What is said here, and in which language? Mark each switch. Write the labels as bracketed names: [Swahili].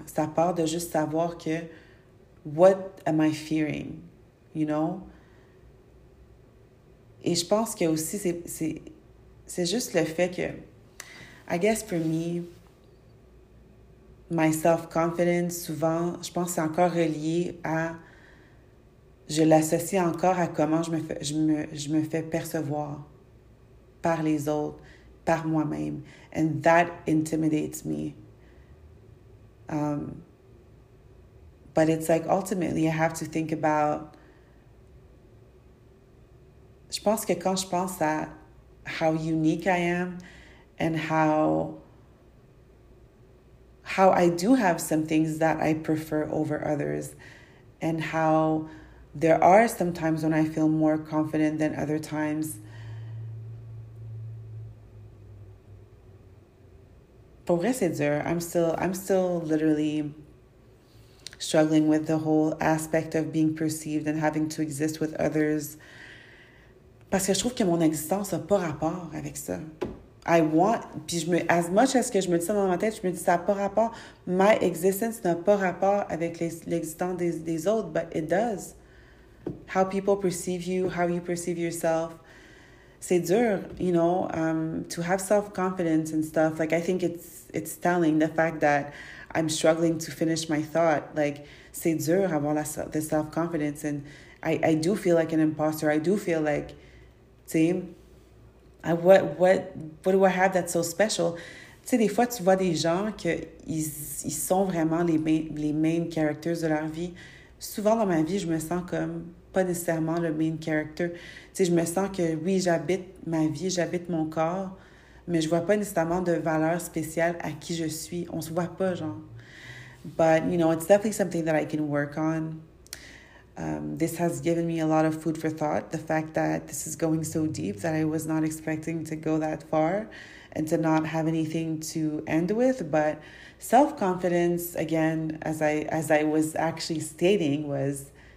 [French] Ça part de juste savoir que, [English] what am I fearing, [French] Et je pense que aussi, c'est juste le fait que, [English] I guess for me, my self-confidence, [French] souvent, je pense que c'est encore relié à, je l'associe encore à comment je me fais percevoir par les autres, par moi-même. [English] And that intimidates me. But it's like, ultimately, I have to think about, [French] je pense que quand je pense à [English] how unique I am, and how I do have some things that I prefer over others, and how there are some times when I feel more confident than other times. [French] Pour vrai, c'est dur. [English] I'm still literally struggling with the whole aspect of being perceived and having to exist with others. [French] parce que je trouve que mon existence n'a pas rapport avec ça. [English] I want, [French] puis je me, as much as que je me dis ça dans ma tête, je me dis ça n'a pas rapport, my existence n'a pas rapport avec l'existence des autres, [English] but it does. How people perceive you, how you perceive yourself. [French] C'est dur, [English] you know, to have self-confidence and stuff. Like, I think it's telling the fact that I'm struggling to finish my thought. Like, [French] c'est dur avoir la, [English] the self-confidence. And I do feel like an imposter. I do feel like, [French] tu sais, [English] what do I have that's so special? [French] Tu sais, des fois, tu vois des gens que ils sont vraiment les main characters de leur vie. Souvent dans ma vie, je me sens comme pas nécessairement le main character. Tu sais, je me sens que, oui, j'habite ma vie, j'habite mon corps, mais je vois pas nécessairement de valeur spéciale à qui je suis. On se voit pas, genre. [English] But, you know, it's definitely something that I can work on. This has given me a lot of food for thought, the fact that this is going so deep that I was not expecting to go that far and to not have anything to end with. But self-confidence, again, as I was actually stating, was...